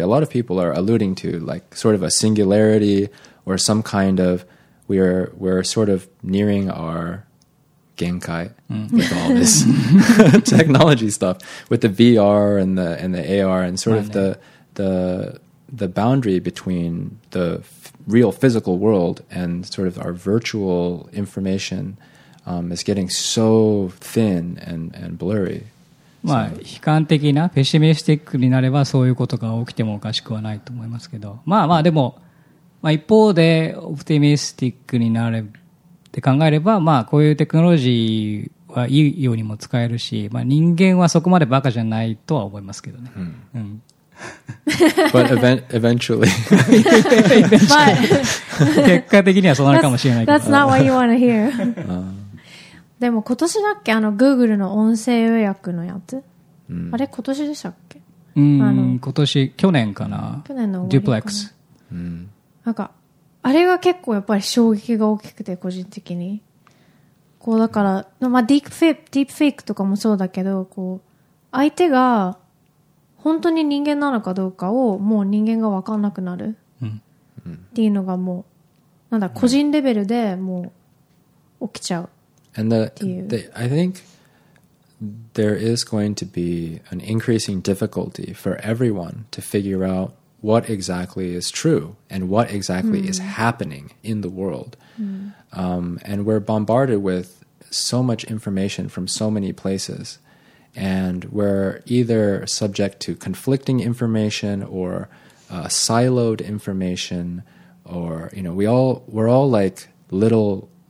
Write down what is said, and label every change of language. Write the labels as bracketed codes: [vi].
[en] A lot of people are alluding to like sort of a singularity or some kind of, we're sort of nearing our genkai with all this technology stuff, with the VR and the AR and sort of the boundary between the real physical world and sort of our virtual information is getting so thin and blurry. [ja] まあ、悲観的なペシミスティックになればそういうことが起きてもおかしくはないと思いますけど、まあまあでも、まあ、一方でオプティミスティックになれって考えれば、まあこういうテクノロジーはいいようにも使えるし、まあ、人間はそこまでバカじゃないとは思いますけどね。 [en] But eventually, eventually. [ja] 結果的にはそうなるかもしれないけど。 [en] That's not what you want to hear. [ja] でも今年だっけ、あの Google の音声予約のやつ、あれ今年でしたっけ、今年、去年かな、去年のデュプレックス、なんかあれが結構やっぱり衝撃が大きくて、個人的にこうだから、まあ、ディープフェイクとかもそうだけど、こう相手が本当に人間なのかどうかをもう人間が分かんなくなるっていうのがもうなんだ、個人レベルでもう起きちゃう。 [en] And I think there is going to be an increasing difficulty for everyone to figure out what exactly is true and what exactly is happening in the world. And we're bombarded with so much information from so many places, and we're either subject to conflicting information or siloed information, or, you know, we're all like little.